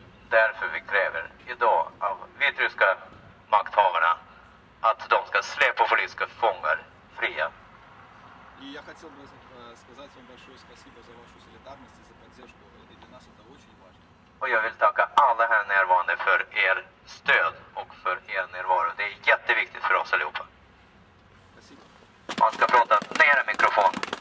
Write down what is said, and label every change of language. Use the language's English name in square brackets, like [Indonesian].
[Swedish] Därför vi kräver idag av vitryska makthavarna att de ska släppa politiska fångar fria. [Russian] И я хотел бы сказать вам большое спасибо за вашу солидарность и за поддержку. И для нас это очень важно. [Swedish] Och jag vill tacka alla här närvarande för er stöd och för er närvaro. Det är jätteviktigt för oss allihopa. [Russian] Спасибо. [Swedish] Man ska prata nära mikrofon.